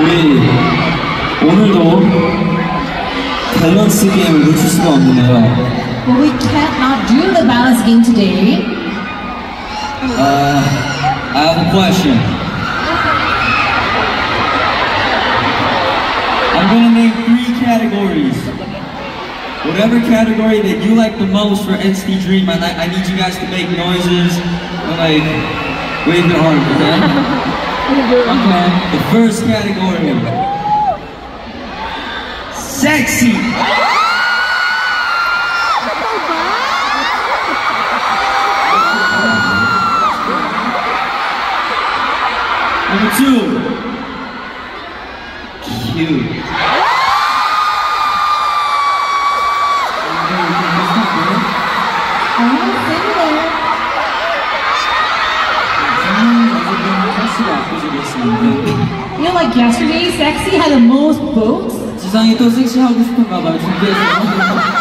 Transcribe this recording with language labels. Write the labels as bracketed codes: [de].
[ko] 우리 오늘도 밸런스 게임을 놓칠 수가 없네요. [en] We can't not do the balance game today. I have a question. I'm gonna name three categories. Whatever category that you like the most for NCT Dream, I need you guys to make noises and like wave your arms, okay? Okay. The first category. Sexy! Number two, cute. I'm single. You know, like yesterday, sexy had the most votes. [ko] 지상이 또 섹시하고 싶은가봐 준비했어.